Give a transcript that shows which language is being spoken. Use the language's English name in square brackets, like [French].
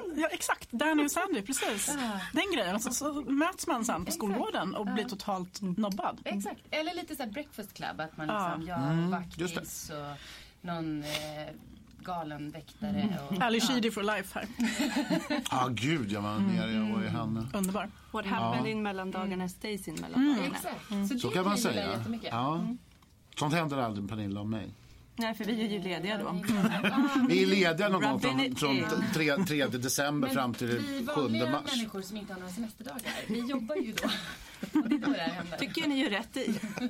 [Swedish] Exakt. Danny och Sandy, precis. Den grejen. Och så möts man sen på skolgården och blir totalt nobbad. Exakt. Eller lite så här breakfast club. Att man liksom gör vaktis och någon galen väktare. [English] Ally Sheedy for life här. [Swedish] Ja, gud. Jag var nere och i henne. Underbar. [English] What happened in mellandagarna stays in mellandagarna. [Swedish] Exakt. Så kan man säga. Ja. Sånt händer aldrig med Pernilla och mig. Nej, för vi är ju lediga då. Vi är lediga någon gång från 3 december men fram till 7 mars. Vi människor som inte har några semesterdagar. Vi jobbar ju då. Och det är då det här händer. Tycker ni ju rätt i.